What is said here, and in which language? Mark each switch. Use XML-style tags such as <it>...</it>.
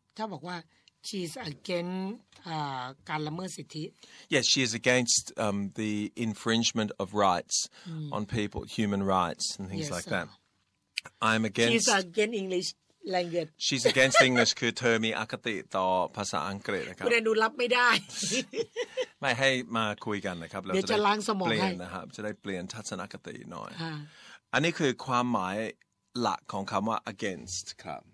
<th>ถ้าบอกว่า</th> <en>she is against</en> <th>การละเมิดสิทธิ</th> <en>Yes, she is against the infringement of rights on people, human rights and things like that. I'm against. She is against English language. She's against English.</en> <th>คือเธอมีอคติต่อภาษาอังกฤษนะครับคุณดูรับไม่ได้ไม่ให้มาคุยกันนะครับ เดี๋ยวจะล้างสมองให้ นะครับจะได้เปลี่ยนทัศนคติหน่อยอันนี้คือความหมายหลักของคำว่า against ครับ</th>